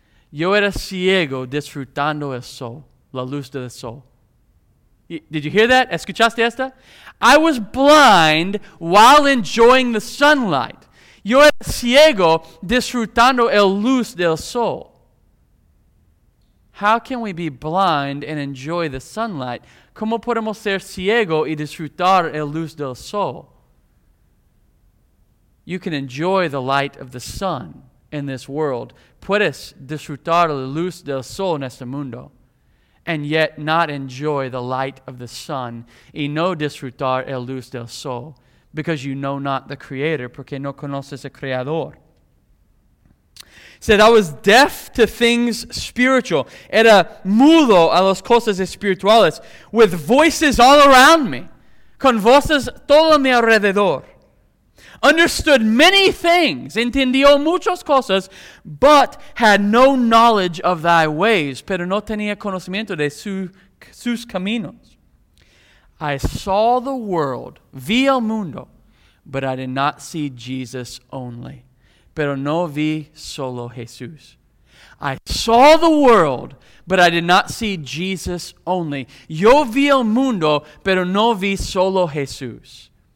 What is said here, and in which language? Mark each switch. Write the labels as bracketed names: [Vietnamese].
[Spanish] Yo era ciego disfrutando el sol, la luz del sol. [English] Did you hear that? [Spanish] ¿Escuchaste esta? [English] I was blind while enjoying the sunlight. [Spanish] Yo era ciego disfrutando el luz del sol. [English] How can we be blind and enjoy the sunlight? [Spanish] ¿Cómo podemos ser ciego y disfrutar el luz del sol? [English] You can enjoy the light of the sun in this world. [Spanish] Puedes disfrutar la luz del sol en este mundo. [English] And yet not enjoy the light of the sun. [Spanish] Y no disfrutar el luz del sol. [English] Because you know not the creator. [Spanish] Porque no conoces el creador. [English] Said, I was deaf to things spiritual. [Spanish] Era mudo a las cosas espirituales. [English] With voices all around me. [Spanish] Con voces todo a mi alrededor. [English] understood many things, [Spanish] entendió muchas cosas, [English] but had no knowledge of thy ways, [Spanish] pero no tenía conocimiento de sus caminos. [English] I saw the world, [Spanish] vi el mundo, [English] but I did not see Jesus only, [Spanish] pero no vi solo Jesús. [English] I saw the world, but I did not see Jesus only. [Spanish] Yo vi el mundo, pero no vi solo Jesús.